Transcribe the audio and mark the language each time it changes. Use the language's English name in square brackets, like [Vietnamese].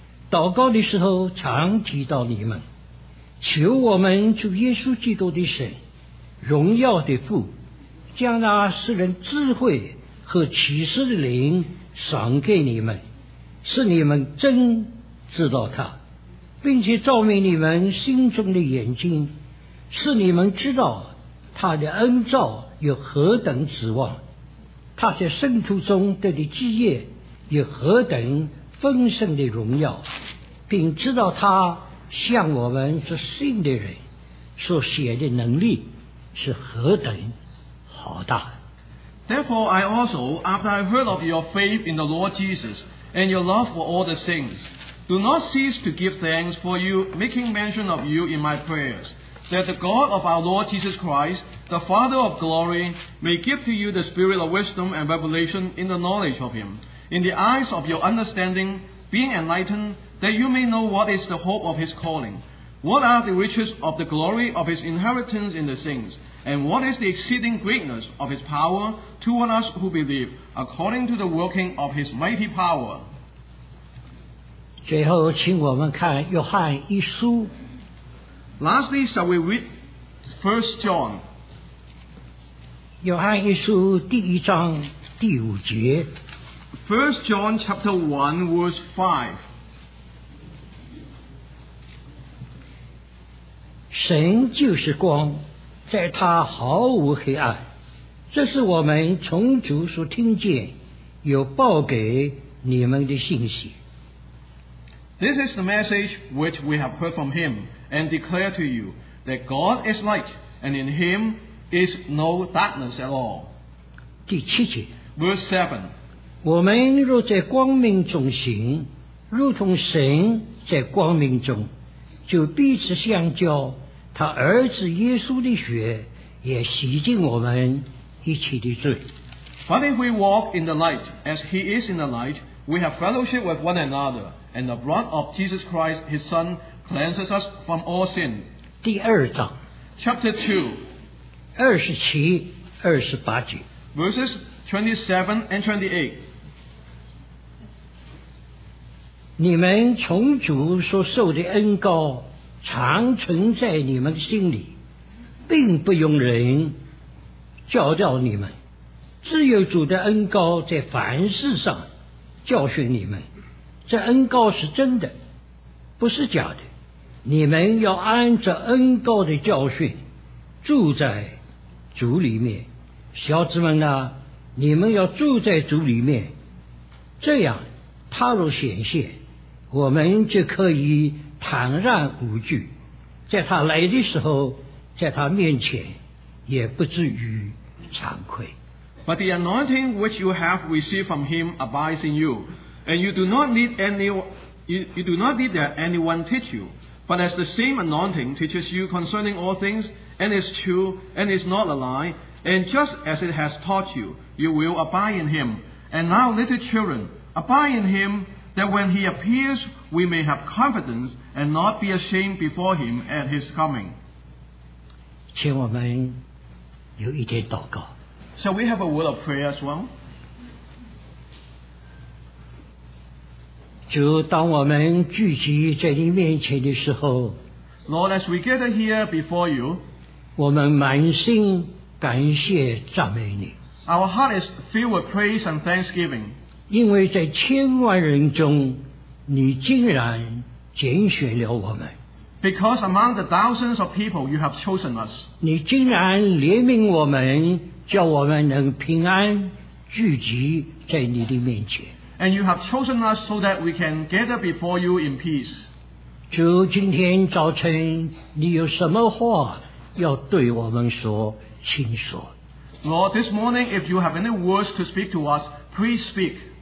[Chinese] 祷告的时候常提到你们，求我们主耶稣基督的神，荣耀的父，将那世人智慧和启示的灵赏给你们，使你们真知道他，并且照明你们心中的眼睛，使你们知道他的恩召有何等指望，他在圣徒中得的基业有何等丰盛的荣耀，并知道他向我们是信的人所写的能力是何等浩大。 [English] Therefore I also, after I heard of your faith in the Lord Jesus and your love for all the saints, do not cease to give thanks for you, making mention of you in my prayers, that the God of our Lord Jesus Christ, the Father of glory, may give to you the spirit of wisdom and revelation in the knowledge of him, in the eyes of your understanding, being enlightened, that you may know what is the hope of his calling, what are the riches of the glory of his inheritance in the saints, and what is the exceeding greatness of his power toward us who believe, according to the working of his mighty power. [Chinese] 最后请我们看约翰一书。 [English] Lastly, shall we read 1 John? [Chinese] 约翰一书第一章第五节。 [English] First John chapter 1 verse 5. [Chinese] 神就是光，在他毫无黑暗，这是我们从主所听见有报给你们的信息。 [English] This is the message which we have heard from him and declare to you, that God is light, and in him is no darkness at all. [Chinese] 第七节。 [English] Verse 7. [Chinese] 我们若在光明中行，如同神在光明中，就彼此相交，他儿子耶稣的血也洗净我们一切的罪。 [English] But if we walk in the light as he is in the light, we have fellowship with one another, and the blood of Jesus Christ his son cleanses us from all sin. [Chinese] 第二章 [English] Chapter 2 [Chinese] 27 28节 [English] Verses 27 and 28 [Chinese] 你们从主所受的恩膏常存在你们心里，并不用人教导你们，只有主的恩膏在凡事上教训你们，这恩膏是真的，不是假的。你们要按着恩膏的教训住在主里面。小子们啊，你们要住在主里面，这样他若显现，我们就可以坦然无惧，在他来的时候，在他面前也不至于惭愧。 [English] But the anointing which you have received from him abides in you, and you do not need that anyone teach you, but as the same anointing teaches you concerning all things, and is true, and is not a lie, and just as it has taught you, you will abide in him. And now, little children, abide in him, that when he appears, we may have confidence and not be ashamed before him at his coming. [Chinese] 请我们有一点祷告。 [English] Shall we have a word of prayer as well? [Chinese] 主，当我们聚集在你面前的时候， [English] Lord, as we gather here before you, [Chinese] 我们满心感谢赞美你。 [English] Our heart is filled with praise and thanksgiving. [Chinese] 因为在千万人中，你竟然拣选了我们。 [English] Because among the thousands of people, you have chosen us. [Chinese] 你竟然怜悯我们，叫我们能平安聚集在你的面前。 [English] And you have chosen us so that we can gather before you in peace. [Chinese] 主，今天早晨，你有什么话要对我们说，请说。 [English] Lord, this morning, if you have any words to speak to us,Please speak.